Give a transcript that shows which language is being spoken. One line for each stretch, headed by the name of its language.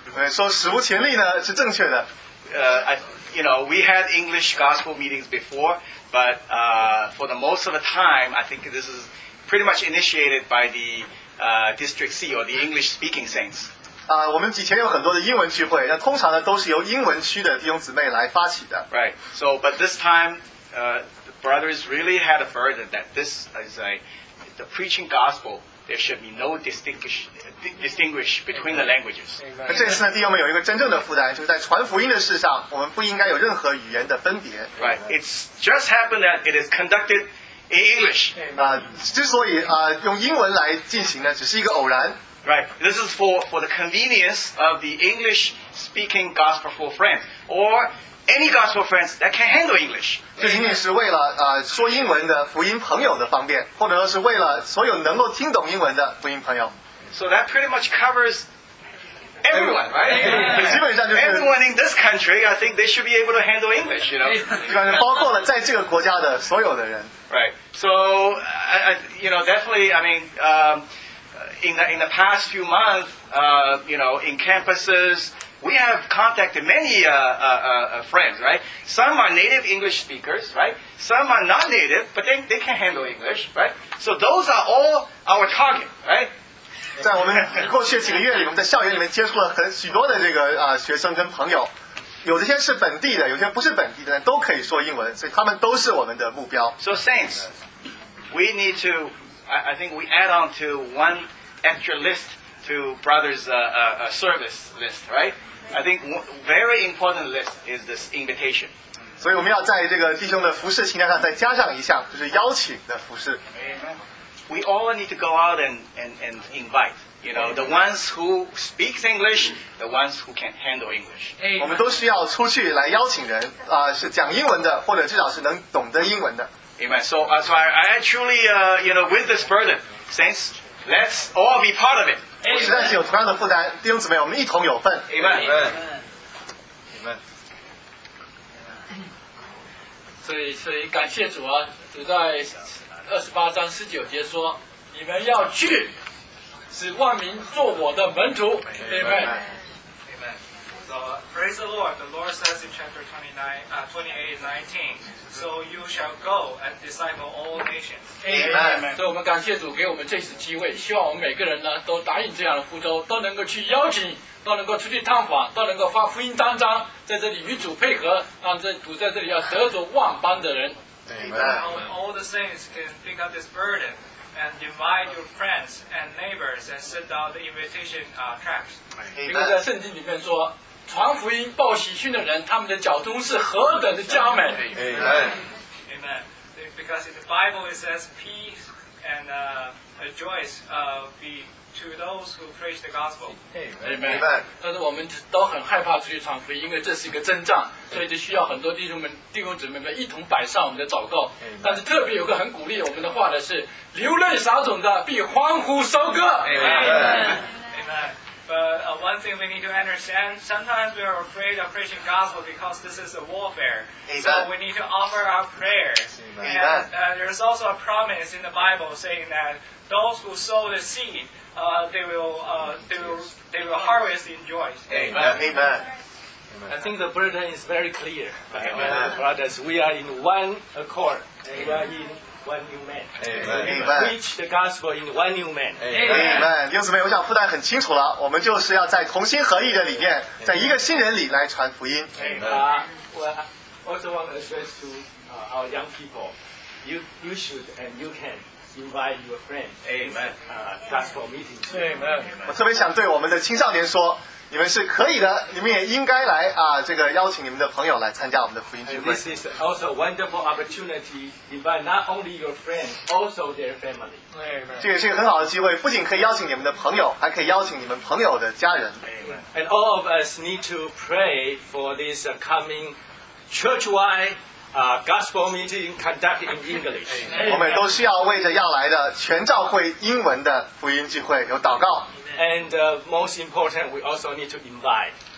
Chinese: 说史无前例呢是正确的。
English: You know, we had English gospel meetings before, but for the most of the time, I think this is pretty much initiated by the District C or the English speaking saints.
Chinese: 我们以前有很多的英文聚会，那通常呢都是由英文区的弟兄姊妹来发起的。
English: Right. So, but this time, the brothers really had a burden that this is the preaching gospel. There should be no distinguish between the languages.
Chinese: 那这次呢，弟兄们有一个真正的负担，就是在传福音的事上，我们不应该有任何语言的分别。
English: Right. It's just happened that it is conducted in English.
Chinese: 之所以用英文来进行呢，只是一个偶然。
English: Right. This is for the convenience of the English-speaking gospel friends or any gospel friends that can handle English.
Chinese: 这仅仅是为了说英文的福音朋友的方便，或者是为了所有能够听懂英文的福音朋友。
English: So that pretty much covers everyone, right?
Chinese: 基本上就是
English: everyone in this country. I think they should be able to handle English. You know,
Chinese: 基本上包括了在这个国家的所有的人。
English: Right. So definitely. I mean. In the past few months, in campuses, we have contacted many friends, right? Some are native English speakers, right? Some are not native, but they can handle English, right? So those are all our target, right?
Chinese: 在我们过去几个月里，我们在校园里面接触了许多的这个学生跟朋友，有的些是本地的，有些不是本地的，都可以说英文，所以他们都是我们的目标。
English: So saints, we need to, I think we add on to one. Extra list to brothers' service list, right? I think very important list is this invitation. So we
Chinese: 要在这个弟兄的服事清单上再加上一项，就是邀请的服事。
English: Amen. We all need to go out and invite. You know, the ones who speak English, the ones who can handle English.
Chinese: 我们都需要出去来邀请人，是讲英文的，或者至少是能懂得英文的。
English: Amen. So, I truly, with this burden, saints. Let's all be part of it.
Chinese: 我实在是有同样的负担，弟兄姊妹，我们一同有份。
English: Amen. Amen.
Chinese: 所以感谢主啊！主在28:19说：“你们要去，使万民做我的门徒。” Amen.
English: 24, the Lord says in chapter 28:19, so you shall go and disciple all nations. Amen.
Chinese: 所以我们感谢主给我们这次机会，希望我们每个人呢都答应这样的呼召，都能够去邀请，都能够出去探访，都能够发福音当章，在这里与主配合，让这主在这里要得着万邦的人。
English: Amen. All the saints can pick up this burden and invite your friends and neighbors and send out the invitation tracts.
Chinese: 因为在圣经里面说，传福音、报喜讯的人，他们的脚中是何等的佳美。
English: Amen. Amen. Because in the Bible it says peace and rejoice be to those who preach the gospel. Amen. Amen.
Chinese: 但是我们都很害怕出去传福音，因为这是一个征战，所以就需要很多弟兄们、弟兄姊妹们一同摆上我们的祷告。
English: Amen.
Chinese: 但是特别有个很鼓励我们的话的是，流泪撒种的必欢呼收割。
English: Amen. Amen. But one thing we need to understand, sometimes we are afraid of preaching gospel because this is a warfare. Amen. So we need to offer our prayers. Amen. And there is also a promise in the Bible saying that those who sow the seed,they will harvest in joy. Amen. I think the burden is very clear. Amen. Amen. Brothers, we are in one accord. Amen. We are in one new man. Amen. Amen. Preach the gospel in one new man. Amen.
Chinese: 弟兄姊妹，我想负担很清楚了，我们就是要在同心合意的里面，在一个新人里来传福音。我
English: also want to address to our young people, you should and you can. Invite your friends. Amen. Gospel meeting. Amen.
Chinese: 我特别想对我们的青少年说，你们是可以的，你们也应该来啊，这个邀请你们的朋友来参加我们的福音聚会。
English: This is also a wonderful opportunity. Invite not only your friends, also their family. Amen.
Chinese: 这也是一个很好的机会，不仅可以邀请你们的朋友，还可以邀请你们朋友的家人。
English: Amen. And all of us need to pray for this coming churchwide. Gospel meeting conducted in English.
Chinese: 我们都需要为着要来的全教会英文的福音聚会有祷告。
English: And most important, we also need to invite.